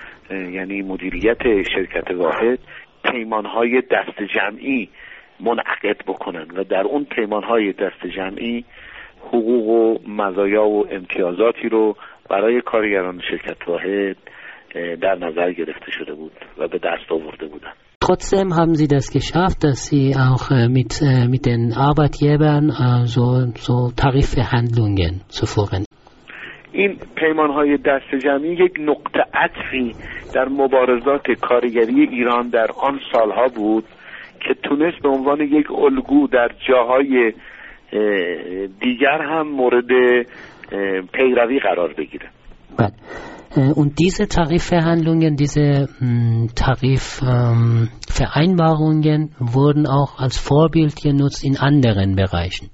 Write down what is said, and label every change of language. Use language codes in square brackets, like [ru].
[fa] یعنی مدیریت شرکت واحد، پیمان‌های دست جمعی منعقد بکنن و در اون پیمان‌های دست جمعی حقوق و مزایا و امتیازاتی رو برای کارگران شرکت واحد در نظر گرفته شده بود و به دست آورده بودن. [de] Trotzdem haben sie das geschafft, dass sie auch mit den Arbeitgebern so Tarifverhandlungen zu führen. [fa] این پیمان‌های دست جمعی یک نقطه عطفی در مبارزات کارگری ایران در آن سالها بود که تونست به عنوان یک الگو در جاهای دیگر هم مورد پیروی قرار بگیرن. بله. [de] Und diese Tarifverhandlungen, diese Tarifvereinbarungen wurden auch als Vorbild genutzt in anderen Bereichen.